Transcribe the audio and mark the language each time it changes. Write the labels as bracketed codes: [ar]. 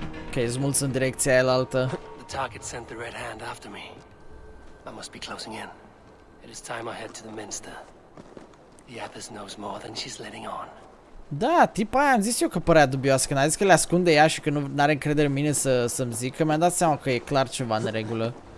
[ro] Okay, sunt mulți în direcția aialaltă. [en] The target sent the red hand after me. I must be closing in. It is time I head to the minster. The abbess knows more than she's letting on. [ro] Da, tipa aia, am zis eu că părea dubioasă, când a zis că le ascunde ea și că nu are încredere în mine să-mi zică, mi-am dat seama că e clar ceva în regulă.